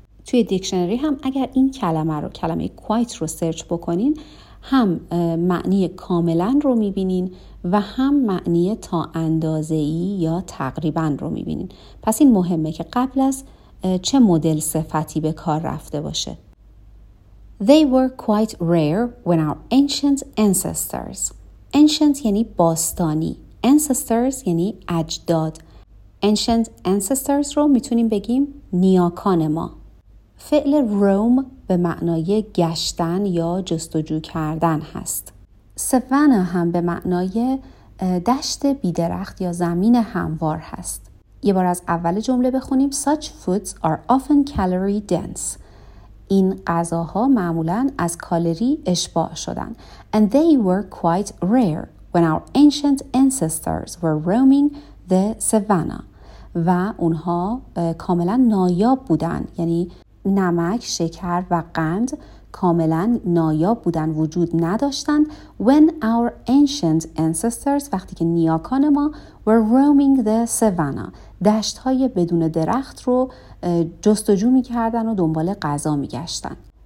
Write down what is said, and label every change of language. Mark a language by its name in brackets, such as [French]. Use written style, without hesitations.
[Persian] توی دیکشنری هم اگر این کلمه رو، کلمه quite رو سرچ بکنین، هم معنی کاملا رو میبینین و هم معنی تا اندازه‌ای یا تقریبا رو میبینین. پس این مهمه که قبل از چه مدل صفتی به کار رفته باشه. [English] They were quite rare when our ancient ancestors. Ancient [Persian] یعنی باستانی. ancestors یعنی اجداد. [English] Ancient ancestors [Persian] رو میتونیم بگیم نیاکان ما. فعل roam به معنای گشتن یا جستجو کردن هست. Savannah هم به معنای دشت بیدرخت یا زمین هموار هست. یه بار از اول جمله بخونیم. [English] Such foods are often calorie dense. [Persian] این غذاها معمولاً از کالری اشباع شدن. [English] And they were quite rare when our ancient ancestors were roaming the savannah. [Persian] و اونها کاملاً نایاب بودن. یعنی نمک، شکر و قند کاملاً نایاب بودن، وجود نداشتن. [English] When our ancient ancestors [Persian] وقتی که نیاکان ما [English] were roaming the savannah. [Persian] دشت های بدون درخت رو جستجو می کردن و دنبال غذا می گشتن.